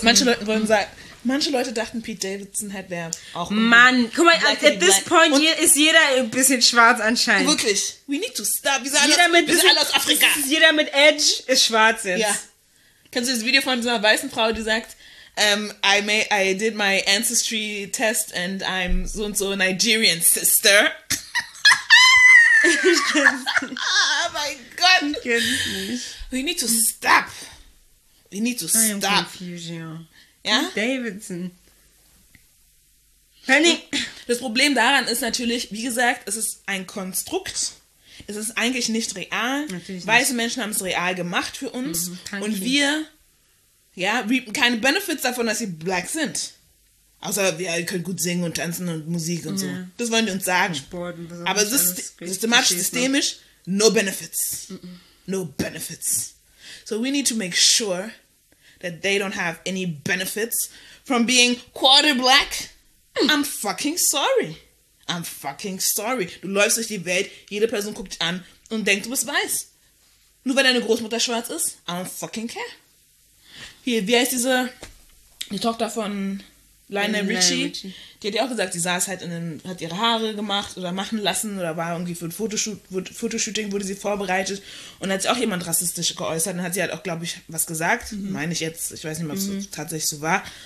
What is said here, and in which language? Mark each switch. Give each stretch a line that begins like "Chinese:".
German: Manche Leute wollen sagen, manche Leute dachten, Pete Davidson wäre auch. Mann, guck mal,
English: at this point
German: ist jeder ein bisschen schwarz anscheinend. Wirklich.
English: We need to stop.
German: Wir sind alle aus Afrika. Jeder mit Edge ist schwarz jetzt. Ja. Kennst du das Video von so einer weißen Frau, die sagt,
English: I did my ancestry test and I'm
German: so und so
English: Nigerian sister. Oh my God.
German: Ich kenn's nicht.
English: We need to stop. We need to stop. I am confused, ja.
German: Ja? Davidson. Penny. Das Problem daran ist natürlich, wie gesagt, es ist ein Konstrukt. Es ist eigentlich nicht real. Natürlich weiße nicht. Menschen haben es real gemacht für uns. Mhm, und wir, ja, reapen keine Benefits davon, dass sie black sind. Außer wir können gut singen und tanzen und Musik und ja. So. Das wollen die uns sagen. Sport und so. Aber systematisch, systemisch,
English: no benefits.
German: Mhm.
English: No benefits. So we need to make sure that they don't have any benefits from being quarter black. I'm fucking sorry. I'm fucking sorry.
German: Du läufst durch die Welt, jede Person guckt dich an und denkt, du bist weiß. Nur weil deine Großmutter schwarz ist,
English: I don't fucking care.
German: Hier, wie heißt diese, die Tochter von Lionel Richie? Die hat ja auch gesagt, sie saß halt in den, hat ihre Haare gemacht oder machen lassen oder war irgendwie für ein Fotoshooting, wurde sie vorbereitet und hat sich auch jemand rassistisch geäußert und hat sie halt auch, glaube ich, was gesagt, meine ich jetzt, ich weiß nicht mehr, ob es tatsächlich so war.